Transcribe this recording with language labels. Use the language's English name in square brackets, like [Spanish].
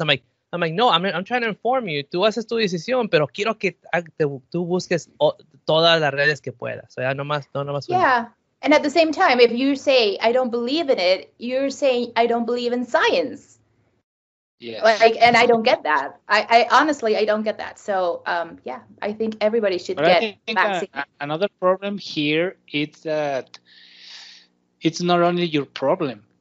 [English] I'm like, no, I'm trying to inform you. [Spanish] Tú haces tu decisión, pero quiero que tú busques todas las redes que puedas. O sea, no más. [English] Yeah. And at the same time, if you say, I don't believe in it, you're saying, I don't believe in science. Yes. Like, and I don't get that. I honestly don't get that. So, yeah, I think everybody should get vaccinated. Another problem here is that it's not only your problem.